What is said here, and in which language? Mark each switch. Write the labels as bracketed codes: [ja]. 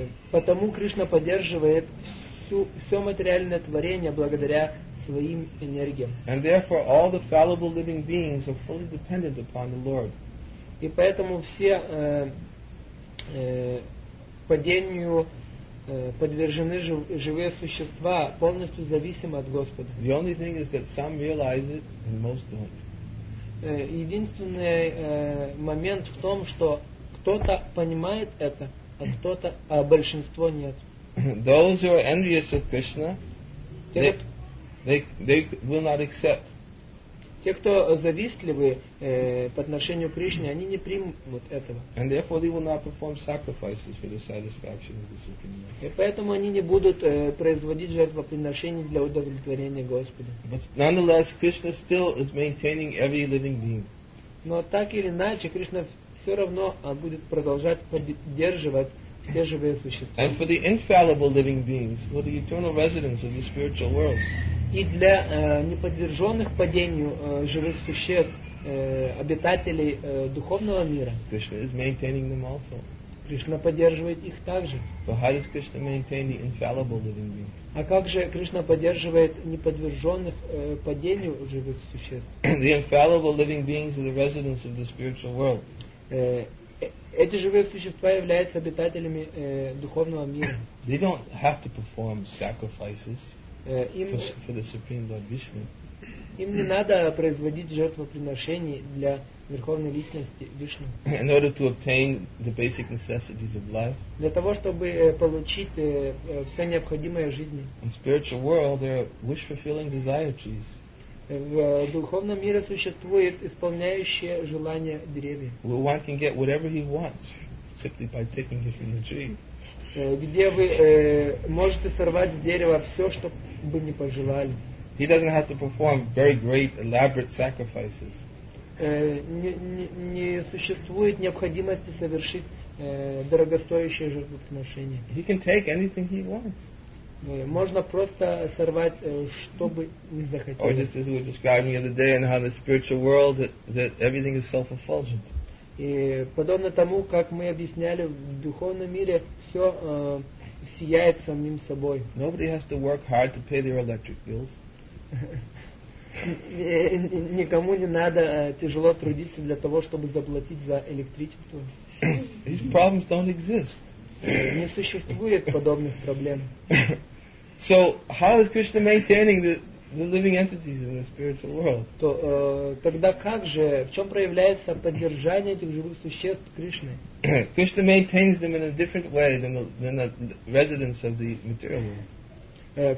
[ru] Потому Кришна поддерживает все материальное творение благодаря своим энергиям. [en] And therefore all the fallible living beings are fully dependent upon the Lord. [ru] И поэтому все падению подвержены живые существа, полностью зависимы от Господа. [en] The only thing is that some realize it and most don't. [ru] Единственный момент в том, что кто-то понимает это, а кто-то, а большинство нет. [en] Those who are envious of Krishna, they will not accept. [ru] Те, кто завистливы по отношению к Кришне, они не примут этого. [en] And therefore they will not perform sacrifices for the satisfaction of the Supreme Lord. [ru] И поэтому они не будут производить жертвоприношения для удовлетворения Господа. [en] But nonetheless, Krishna still is maintaining every living being. [ru] Но так или иначе, Кришна все равно будет продолжать поддерживать все живые существа. [en] And for the infallible living beings, for the eternal residents of the spiritual world. [ru] И для неподверженных падению живых существ, обитателей духовного мира. [en] Krishna is maintaining them also. [ru] Кришна поддерживает их также. [en] But how does Krishna maintain the infallible living beings? [ru] А как же Кришна поддерживает неподверженных падению живых существ? [en] The infallible living beings are the residents of the spiritual world. [ru] Эти живые существа являются обитателями духовного мира. [en] They don't have to perform sacrifices. For the Supreme Lord Vishnu. [ru] Им не надо производить жертвоприношений для Верховной Личности Вишну. [en] In order to obtain the basic necessities of life. [ru] Для того, чтобы получить все необходимое жизни. [en] In spiritual world, there are wish-fulfilling desire trees. [ru] В духовном мире существует исполняющее желание деревья. [en] One can get whatever he wants simply by taking it from the tree. [ru] Где вы можете сорвать с дерева все, что бы не пожелали. [en] He doesn't have to perform very great elaborate sacrifices. [ru] Не существует необходимости совершить дорогостоящее жертвоприношение. [en] He can take anything he wants. [ru] Можно просто сорвать что бы ни захотелось. [en] Or just as we were describing the other day in how the spiritual world that everything is self-effulgent. [ru] И подобно тому, как мы объясняли, в духовном мире все сияет самим собой. [en] Nobody has to work hard to pay their electric bills. [ru] Никому не надо тяжело трудиться для того, чтобы заплатить за электричество. [en] These problems don't exist. [ru] Не существует подобных проблем. [en] So how is Krishna maintaining the living entities in the spiritual world? [ru] То тогда как же, в чем проявляется поддержание этих живых существ Кришны? [en] Krishna maintains them in a different way than the residents of the material world.